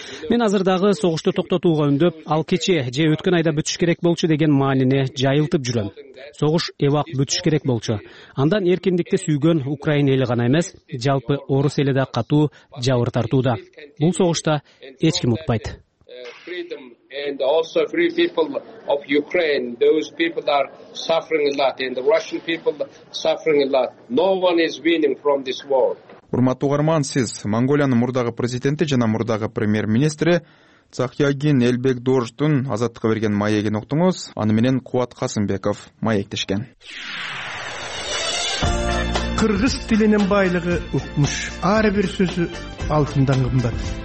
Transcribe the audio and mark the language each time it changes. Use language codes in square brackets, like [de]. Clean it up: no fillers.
[ky] Мен азырдагы согушту токтотууга үндөп, ал кечээ же өткөн айда бүтүш керек болчу деген маанине жайылтып жүрөм. Согуш эвак бүтүш керек болчу. Андан эркиндикти сүйгөн Украина эли гана эмес, жалпы орус эли да катуу жабыр тартууда. Бул согушта эч ким утпайт. [en] And also free people of Ukraine, those people are suffering a lot, and the Russian people suffering a lot. No one is winning from this war. [ky] Урматтуу угарман, сиз Монголиянын мурдагы президенти жана мурдагы премьер-министри Цахягин Элбекдоштун азаттыкка берген маегин уктуңуз. Аны менен Кубат Касымбеков маектешкен. Кыргыз тилинин байлыгы укмуш, ар бир сөзү алтындан кымбат.